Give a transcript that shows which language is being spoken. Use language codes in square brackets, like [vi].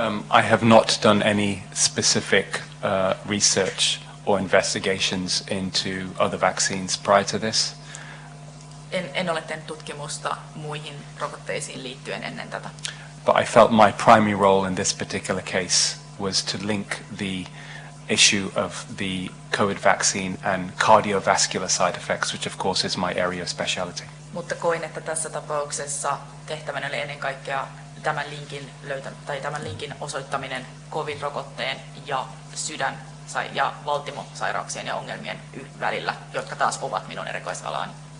[en] I have not done any specific research or investigations into other vaccines prior to this. [fi] En ole tehnyt tutkimusta muihin rokotteisiin liittyen ennen tätä. [en] But I felt my primary role in this particular case was to link the issue of the COVID vaccine and cardiovascular side effects, which of course is my area of speciality. [fi] Mutta koin, että tässä tapauksessa tehtävänä oli ennen kaikkea tämän linkin osoittaminen COVID-rokotteen ja sydän ja valtimosairauksien ja ongelmien välillä, jotka taas ovat minun erikoisalani.